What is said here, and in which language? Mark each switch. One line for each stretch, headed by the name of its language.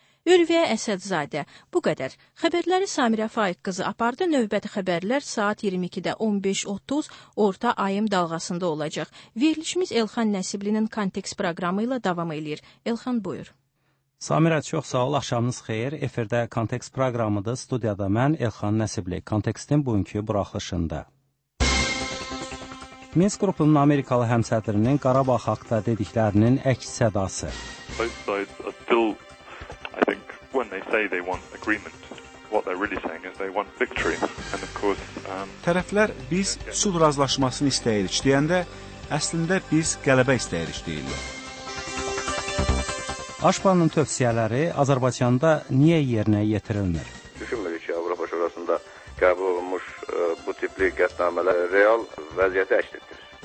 Azerbaijani: Ülviyə Əsədzadə, bu qədər. Xəbərləri Samirə Faiq qızı apardı. Növbəti xəbərlər saat 22:15-30 orta ayım dalğasında olacaq. Verilişimiz Elxan Nəsiblinin kontekst proqramı ilə davam edir. Elxan, buyur. Samirə, çox sağ ol, axşamınız xeyir. Efirdə kontekst proqramıdır. Studiyada mən, Elxan Nəsibli. Kontekstin bugünkü buraxılışında. Minsk qrupunun Amerikalı həmsədrinin Qarabağ haqda dediklərinin əks sədası.
English: I think when they say they want agreement, what they're really saying is they want victory. And of course,
Azerbaijani: tərəflər biz sülh razılaşmasını istəyirik deyəndə, əslində biz qələbə istəyirik deyirlər. Aşbanın tövsiyələri Azərbaycanda niyə yerinə yetirilmir? Düşünmürük ki, Avropa Şurasında qəbul olunmuş bu tipli qətnamələr real vəziyyəti əks etdirir.